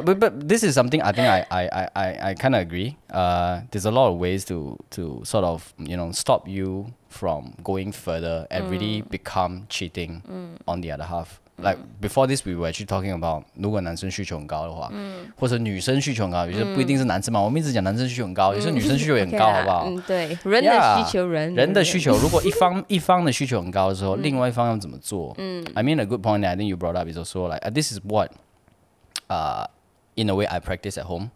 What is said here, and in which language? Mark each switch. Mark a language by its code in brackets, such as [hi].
[en] But this is something I think I kind of agree. There's a lot of ways to sort of you know stop you from going further and really become cheating on the other half.、嗯、 like before this, we were actually talking about [zh] 如果男生需求很高的话，嗯、或者女生需求很高，有些不一定是男生嘛。嗯、我们一直讲男生需求很高，有些女生需求也很高，嗯、好不好？嗯，对，人的需求， [en] yeah, [zh] 人的需求。如果一方的需求很高的时候、嗯，另外一方要怎么做？嗯 [en] ，I mean a good point that I think you brought up is also like this is what, in a way I practice at home.